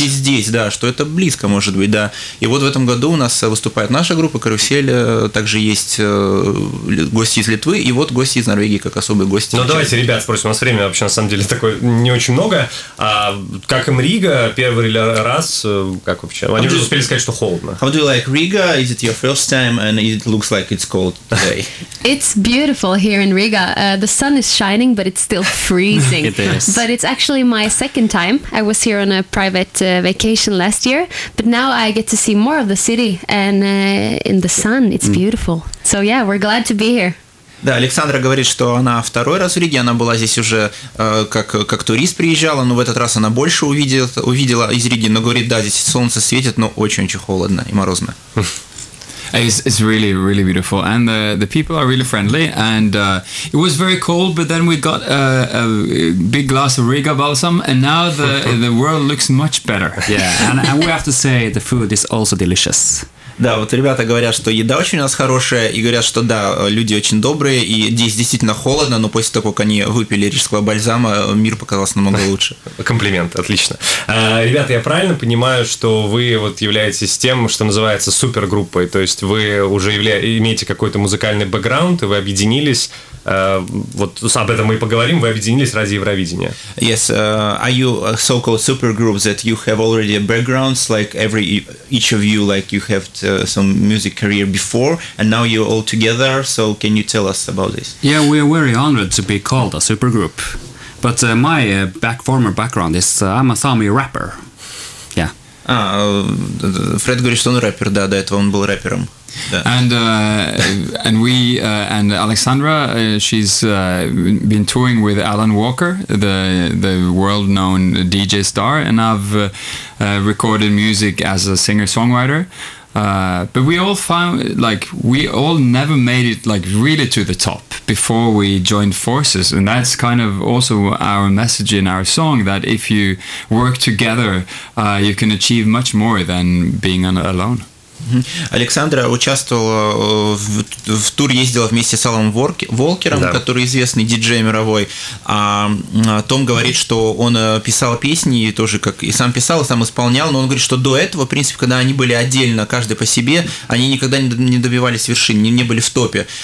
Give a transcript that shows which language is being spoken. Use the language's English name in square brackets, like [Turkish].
[Russian] может быть и здесь, да, что это близко, может быть, да. И вот в этом году у нас выступает наша группа «Карусель», также есть гости из Литвы, и вот гости из Норвегии, как особые гости. Ну, давайте, ребят, спросим, у нас время вообще, на самом деле, такое не очень много. А как им Рига, первый или раз, как вообще? Они уже успели сказать, что холодно. [English] How do you like Riga? Is it your first time, and it looks like it's cold today? It's beautiful here in Riga. The sun is shining, but it's still freezing. It is. But it's actually my second time. I was here on a private vacation last year, but now I get to see more of the city and in the sun. It's beautiful. So yeah, we're glad to be here. [Russian] Да, Александра говорит, что она второй раз в Риге, она была здесь уже как турист приезжала, но в этот раз она больше увидела из Риги, но говорит, да, здесь солнце светит, но очень-очень холодно и морозно. [English] It's really, really beautiful, and the people are really friendly, and it was very cold, but then we got a big glass of Riga balsam, and now the world looks much better. Yeah, and we have to say the food is also delicious. [Russian] Да, вот ребята говорят, что еда очень у нас хорошая, и говорят, что да, люди очень добрые, и здесь действительно холодно, но после того, как они выпили рижского бальзама, мир показался намного лучше. Комплимент, отлично. Ребята, я правильно понимаю, что вы вот являетесь тем, что называется супергруппой, то есть вы уже имеете какой-то музыкальный бэкграунд, и вы объединились. Вот об этом мы и поговорим. Вы объединились ради Евровидения. [English] Yes, are you a so-called supergroup that you have already a background, like each of you, like you have some music career before, and now you're all together? So can you tell us about this? Yeah, we are very honored to be called a supergroup, but my former background is I'm a Sami rapper. Yeah. [Russian] А Фред говорит, что он рэпер, да, до этого он был рэпером. [English] Yeah. And Alexandra, she's been touring with Alan Walker, the world known DJ star, and I've recorded music as a singer songwriter. But we all found, like, we all never made it, like, really to the top before we joined forces, and that's kind of also our message in our song, that if you work together, you can achieve much more than being alone. [Russian] Александра участвовала в тур, ездила вместе с Аллом Волкером, да, который известный диджей мировой. А Том говорит, что он писал песни и тоже как и сам писал, и сам исполнял, но он говорит, что до этого, в принципе, когда они были отдельно, каждый по себе, они никогда не добивались вершин, не были в топе.